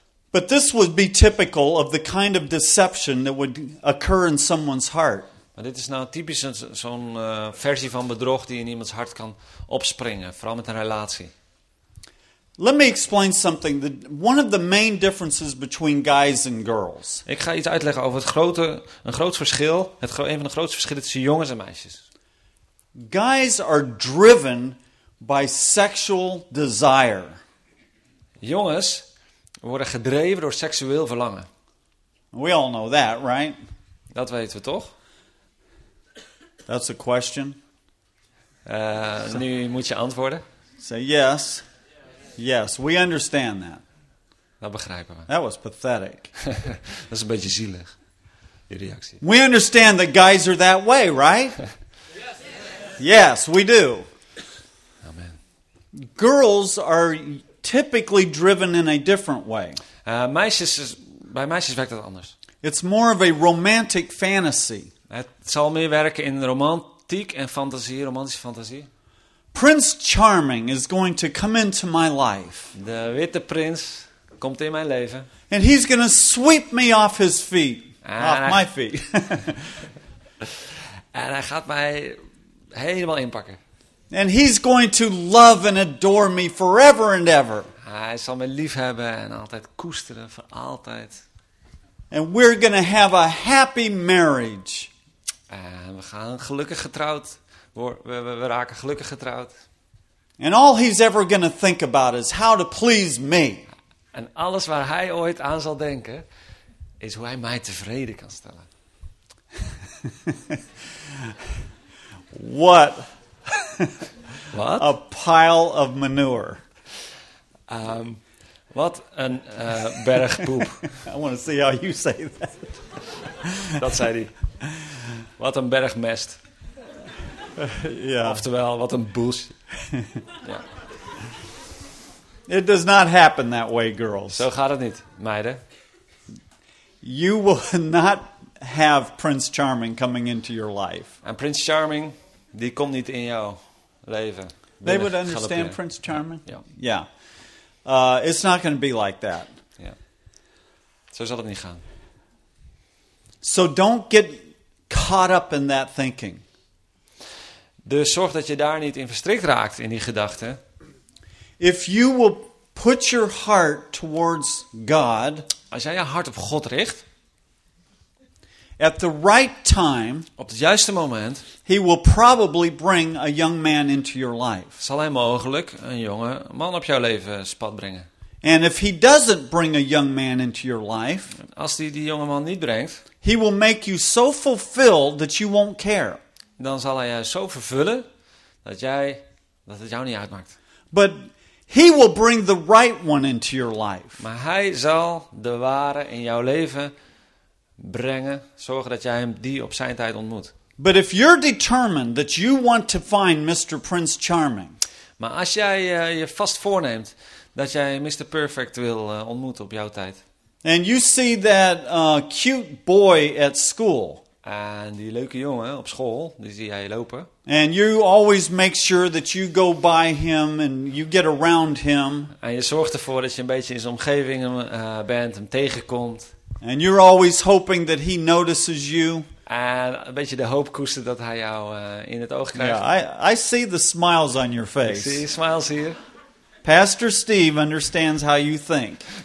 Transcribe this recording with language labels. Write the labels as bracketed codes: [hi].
[en] But this would be typical of the kind of deception that would occur in someone's heart. [nl] Maar dit is nou typisch zo'n versie van bedrog die in iemands hart kan opspringen, vooral met een relatie. [en] Let me explain something. One of the main differences between guys and girls. [nl] Ik ga iets uitleggen over een groot verschil. Een van de grootste verschillen tussen jongens en meisjes. [en] Guys are driven by sexual desire. [nl] Jongens worden gedreven door seksueel verlangen. [en] We all know that, right? [nl] Dat weten we toch? [en] That's a question. [nl] Nu moet je antwoorden. [en] Say yes. Yes, we understand that. [nl] Dat begrijpen we. [en] That was pathetic. [nl] Dat is een beetje zielig, die reactie. [en] We understand that guys are that way, right? Yes. Yes, we do. Amen. Girls are typically driven in a different way. [nl] Bij meisjes werkt dat anders. [en] It's more of a romantic fantasy. [nl] Het zal meer werken in romantiek en fantasie, romantische fantasie. [en] Prince Charming is going to come into my life. [nl] De witte prins komt in mijn leven. [en] And he's going to sweep me off his feet. My feet. [nl] En hij gaat mij helemaal inpakken. [en] And he's going to love and adore me forever and ever. [nl] Hij zal me liefhebben en altijd koesteren voor altijd. [en] And we're going to have a happy marriage. [nl] En we gaan gelukkig getrouwd. We raken gelukkig getrouwd. [en] And all he's ever gonna think about is how to please me. [nl] En alles waar hij ooit aan zal denken, is hoe hij mij tevreden kan stellen. [en] What? What? A pile of manure. [nl] Wat een berg poep. [en] I want to see how you say that. [nl] Dat zei hij. Wat een berg mest. [en] Yeah. [nl] Oftewel, wat een bullshit. [en] Yeah. It does not happen that way, girls. [nl] Zo gaat het niet, meiden. [en] You will not have Prince Charming coming into your life. [nl] En Prince Charming, die komt niet in jouw leven. [en] They would understand Prince Charming? Yeah. Yeah. It's not going to be like that. [nl] Yeah. Zo zal het niet gaan. [en] So don't get caught up in that thinking. [nl] Dus zorg dat je daar niet in verstrikt raakt in die gedachte. [en] If you will put your heart towards God, [nl] als jij je hart op God richt, [en] at the right time, [nl] op het juiste moment, [en] he will probably bring a young man into your life. [nl] Zal hij mogelijk een jonge man op jouw leven spat brengen. [en] And if he doesn't bring a young man into your life, [nl] als hij die jonge man niet brengt, [en] he will make you so fulfilled that you won't care. [nl] Dan zal hij jou zo vervullen dat het jou niet uitmaakt. [en] But he will bring the right one into your life. [nl] Maar hij zal de ware in jouw leven brengen, zorgen dat jij hem die op zijn tijd ontmoet. [en] But if you're determined that you want to find Mr. Prince Charming. [nl] Maar als jij je vast voorneemt dat jij Mr. Perfect wil ontmoeten op jouw tijd. [en] And you see that cute boy at school. [nl] En die leuke jongen op school, die zie jij lopen. [en] And you always make sure that you go by him and you get around him. [nl] En je zorgt ervoor dat je een beetje in zijn omgeving bent, hem tegenkomt. [en] And you're always hoping that he notices you. [nl] En een beetje de hoop koestert dat hij jou in het oog krijgt. [en] Yeah, I see the smiles on your face. [nl] Ik zie smiles hier. [en] Pastor Steve understands how you think.